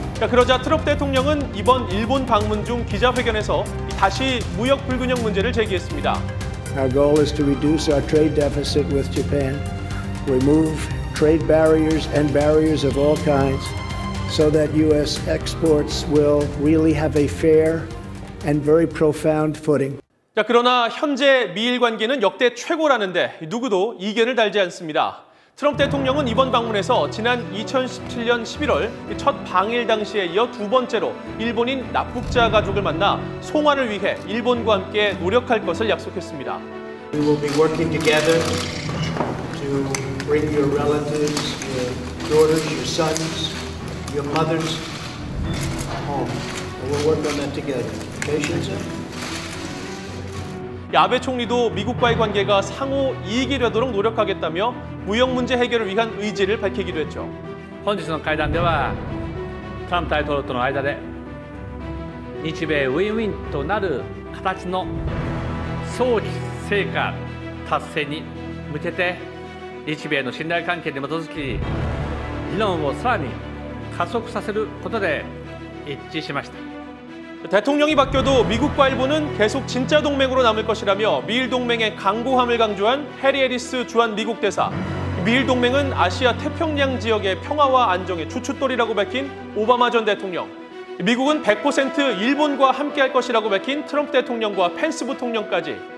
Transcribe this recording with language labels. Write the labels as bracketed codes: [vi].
[ko] 그러자 트럼프 대통령은 이번 일본 방문 중 기자회견에서 다시 무역 불균형 문제를 제기했습니다. [en] Our goal is to reduce our trade deficit with Japan, remove trade barriers and barriers of all kinds, so that U.S. exports will really have a fair and very profound footing. [ko] 그러나 현재 미일 관계는 역대 최고라는데 누구도 이견을 달지 않습니다. 트럼프 대통령은 이번 방문에서 지난 2017년 11월 첫 방일 당시에 이어 두 번째로 일본인 납북자 가족을 만나 송환을 위해 일본과 함께 노력할 것을 약속했습니다. [en] We will be working together to bring your relatives, your daughters, your sons, your mothers home. We'll work on that together. Okay, Shinzo? [ko] 아베 총리도 미국과의 관계가 상호 이익이 되도록 노력하겠다며 무역 문제 해결을 위한 의지를 밝히기도 했죠. [ja] 本日の 회담では 트럼프 大統領との間で日米ウィンウィンとなる形の早期成果達成に向けて日米の信頼関係に基づき議論をさらに加速させることで一致しました。 [ko] 대통령이 바뀌어도 미국과 일본은 계속 진짜 동맹으로 남을 것이라며 미일 동맹의 강고함을 강조한 해리 해리스 주한 미국 대사. 미일 동맹은 아시아 태평양 지역의 평화와 안정의 주춧돌이라고 밝힌 오바마 전 대통령. 미국은 100% 일본과 함께할 것이라고 밝힌 트럼프 대통령과 펜스 부통령까지.